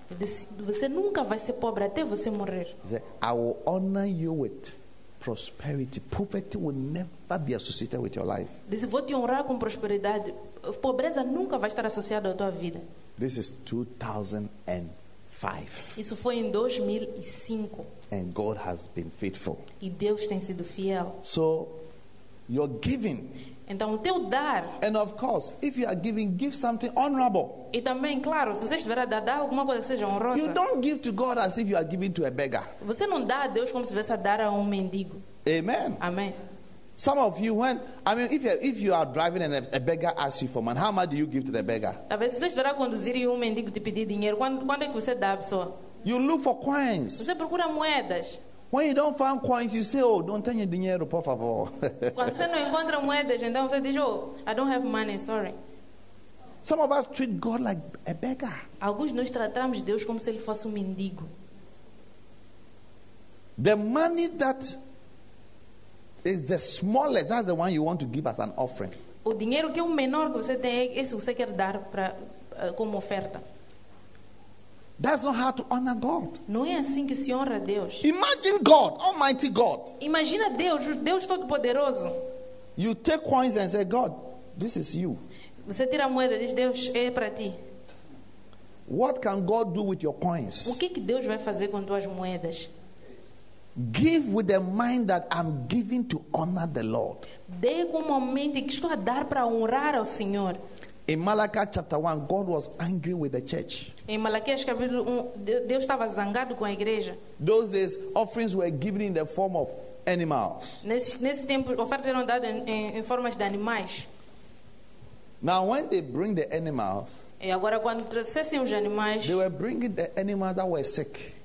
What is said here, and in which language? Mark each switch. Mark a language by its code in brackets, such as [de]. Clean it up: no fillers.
[pt] Eu disse, você nunca vai ser pobre até você morrer. [en] Said, "I will honor you with prosperity. Poverty will never be associated with your life." [pt] Disse, vou te honrar com prosperidade. Pobreza nunca vai estar associada à tua vida. [en] This is 2005. [pt] Isso foi em 2005. [en] And God has been faithful. [pt] E Deus tem sido fiel. [en] So, your giving. [pt] Então, o teu dar. [en] And of course, if you are giving, give something honorable. [pt] E também, claro, se você estiver a dar, dar alguma coisa seja honrosa. [en] You don't give to God as if you are giving to a beggar. [pt] Você não dá a Deus como se estivesse a dar a mendigo. [en] Amen. [pt] Amém. [en] Some of you, when I mean, if you are driving and a beggar asks you for money, how much do you give to the beggar? [pt] Se você estiver a conduzir e mendigo te pedir dinheiro, quando é que você dá a pessoa? [en] You look for coins. [pt] Você procura moedas. [en] When you don't find coins, you say, "Oh, don't [pt] tenho dinheiro, por favor." Quando você não encontra moedas, então você diz, [en] "Oh, I don't have money, sorry." Some of us treat God like a beggar. [pt] Alguns nós tratamos Deus como se ele fosse mendigo. [en] The money that is the smallest, that's the one you want to give as an offering. [pt] O dinheiro que é o menor que você tem, esse você quer dar para como oferta. [en] That's not how to honor God. [pt] Não é assim que se honra Deus. [en] Imagine God, Almighty God. [pt] Imagina Deus, Deus Todo-Poderoso. [en] You take coins and say, "God, this is you." [pt] Você tira a moeda e diz, Deus, é para ti. [en] What can God do with your coins? [pt] O que Deus vai fazer com tuas moedas? [en] Give with the mind that I'm giving to honor the Lord. [pt] Dê com uma mente que estou a dar para honrar ao Senhor. [en] In Malachi chapter 1, God was angry with the church. [pt] Em Malaquias capítulo 1, Deus estava zangado com a igreja. [en] Those days, offerings were given in the form of animals. [pt] Nesse tempo, ofertas eram dadas em formas de animais. [en] Now, when they bring the animals, [pt] e agora quando trouxessem os animais, [en] they were bringing the animals that were sick.